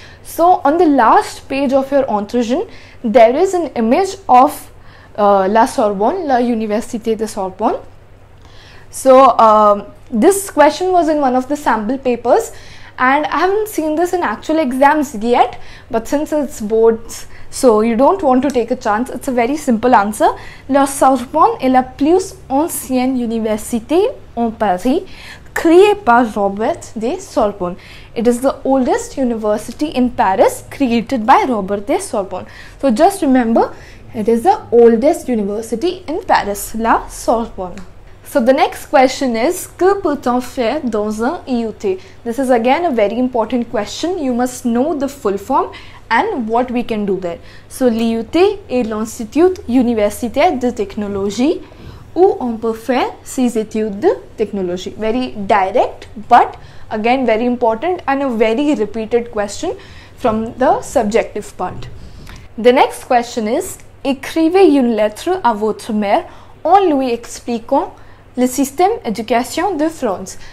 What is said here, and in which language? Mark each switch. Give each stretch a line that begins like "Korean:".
English: So, on the last page of your entrée, there is an image of La Sorbonne, La Université de Sorbonne. So, this question was in one of the sample papers and I haven't seen this in actual exams yet, but since it's boards, so you don't want to take a chance. It's a very simple answer.
French: La Sorbonne est la plus ancienne université en Paris, créée par Robert de Sorbonne.
English: It is the oldest university in Paris created by Robert de Sorbonne. So just remember, it is the oldest university in Paris, La Sorbonne. So the next question is,
French: que peut-on faire dans un IUT?
English: This is again a very important question. You must know the full form and what we can do there.
French: So l'IUT est l'Institut Universitaire de Technologie où on peut faire ses études de technologie.
English: Very direct, but again very important and a very repeated question from the subjective part. The next question is,
French: écrivez une lettre à votre mère en lui expliquant le système éducation de France.